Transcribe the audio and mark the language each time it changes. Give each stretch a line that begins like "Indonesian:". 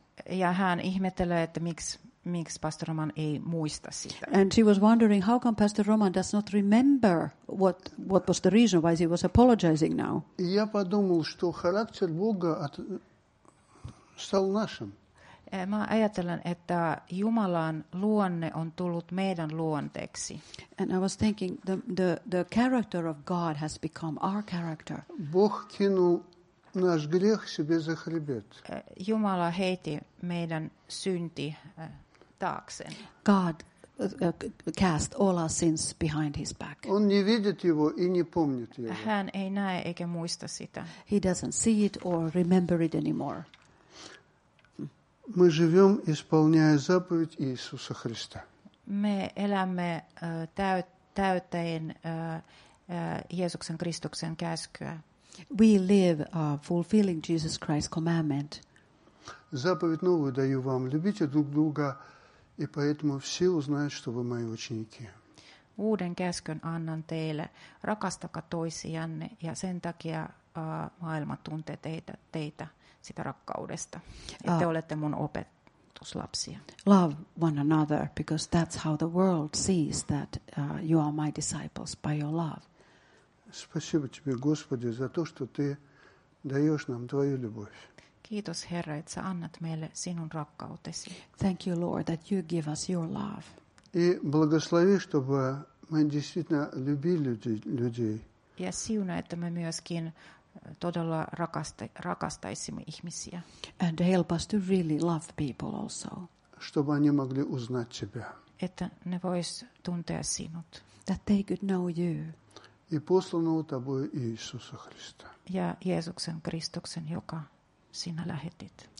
Finnish: Ja hän ihmettelee, että miksi Pastor Roman ei muista sitä.
English: And she was wondering, how come Pastor Roman does not remember what was the reason why she was apologizing now?
Russian: Я подумал, что характер Бога стал нашим.
Finnish: Mä ajattelen, että Jumalan luonne on tullut meidän luonteeksi.
English: And I was thinking the character of God has become our character.
Russian: Бог кинул наш грех себе за хребет.
Finnish: Jumala heitti meidän synti taakseen.
English: God cast all our sins behind his back.
Russian: Он не видит его и не помнит его.
Finnish: Hän ei näe eikä muista sitä.
English: He doesn't see it or remember it anymore.
Russian: Мы живем, исполняя заповедь Иисуса Христа. Мы
Finnish: elämme täyttäen Jeesuksen Kristuksen käskyä.
English: We live fulfilling Jesus Christ's commandment.
Russian: Заповедь новую даю вам: любите друг друга, и поэтому все узнают, что вы мои ученики.
Finnish: Uuden käskyn annan teille: rakastakaa toisianne, ja sen takia maailma tuntee teitä. Sitä rakkaudesta, että olette mun opetuslapsia.
English: Love one another, because that's how the world sees that you are my disciples, by your love.
Russian: Спасибо тебе, Господи, за то, что ты даешь нам твою любовь.
Finnish: Kiitos, Herra, että sä annat meille sinun rakkautesi.
English: Thank you, Lord, that you give us your love.
Russian: И благослови, чтобы мы действительно любили людей.
Finnish: Ja siuna, että
Russian: мы
Finnish: myöskin todella rakastaisimme ihmisiä.
English: And help us to really love people also.
Russian: Чтобы они могли узнать тебя.
Finnish: Että ne vois tuntea sinut.
English: That they could know you.
Russian: И посланного тобой Иисуса Христа.
Finnish: Ja Jeesuksen Kristuksen, joka sinä lähetit.